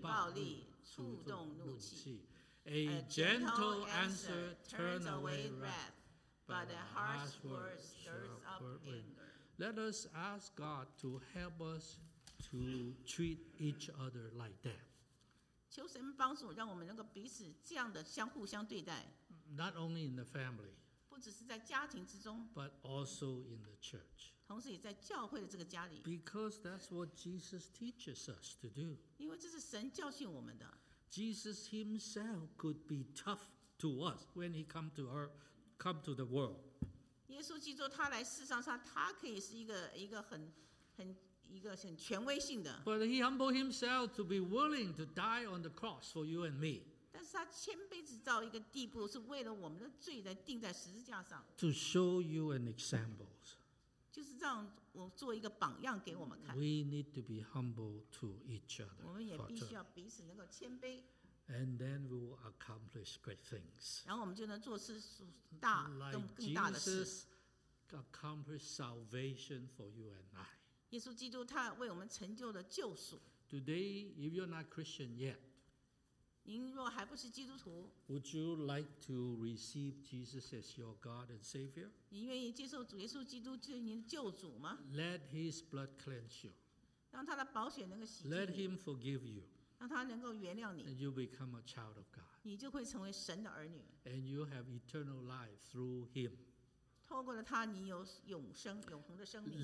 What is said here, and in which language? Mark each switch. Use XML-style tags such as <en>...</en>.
<zh>暴力，触动怒气。</zh> <en>A gentle answer turns away wrath. But a harsh word stirs up anger. Let us ask God to help us to treat each other like that.</en> <zh>求神帮助，让我们能够彼此这样的相互相对待。</zh> <en>Not only in the family.</en> <zh>不只是在家庭之中。</zh> <en>But also in the church.</en> <zh>同时也在教会的这个家里。</zh> <en>Because that's what Jesus teaches us to do.</en> <zh>因为这是神教训我们的。</zh> <en>Jesus himself could be tough to us when he come to earth. Come to the world.</en> <zh>耶稣基督他来世上，他可以是一个很权威性的。</zh> <en>But he humbled himself to be willing to die on the cross for you and me.</en> <zh>但是他谦卑直到一个地步，是为了我们的罪来钉在十字架上。</zh> <en>To show you an example.</en> <zh>就是让我做一个榜样给我们看。</zh> <en>We need to be humble to each other.</en> <zh>我们也必须要彼此能够谦卑。</zh> <en>And then we will accomplish great things.</en> <zh>然后我们就能做事大更大的事。</zh> <en>Like Jesus accomplished salvation for you and I.</en> <zh>耶稣基督他为我们成就了救赎。</zh> <en>Today, if you're not Christian yet,</en> <zh>您若还不是基督徒</zh> <en>，Would you like to receive Jesus as your God and Savior?</en> <zh>您愿意接受主耶稣基督做您的救主吗</zh> <en>？Let His blood cleanse you.</en> <zh>让他的宝血能够洗净你。</zh> <en>Let Him forgive you.</en> <zh>让他能够原谅你。</zh> <en>And you become a child of God.</en> <zh>你就会成为神的儿女。</zh> <en>And you have eternal life through him.</en> <zh>透过了他，你有永生、永恒的生命。</zh>